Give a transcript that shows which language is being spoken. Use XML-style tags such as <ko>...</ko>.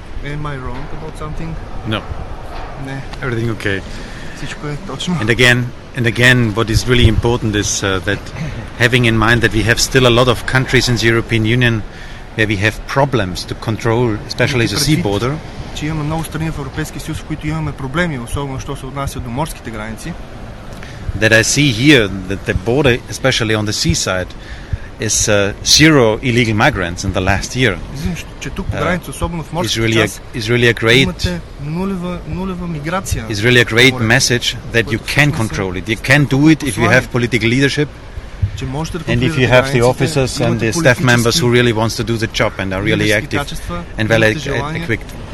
<en>Am I wrong about something? No.</en> <bg>Не.</bg> <en>Everything okay.</en> <bg>Всичко е точно.</bg> <en>And again, what is really important is that having in mind that we have still a lot of countries in the European Union where we have problems to control, especially the sea border.</en> <bg>Че имаме много страни в Европейския съюз, в които имаме проблеми, особено що се отнася до морските граници.</bg> <en>That I see here that the border, especially on the seaside, is zero illegal migrants in the last year.</en> <bg>Че тук по граница, особено в морските</bg> <en>It's really a great message that you can control it. You can do it if you have political leadership. And if you have the officers and the staff members who really wants to do the job and are really active and well equipped.</en>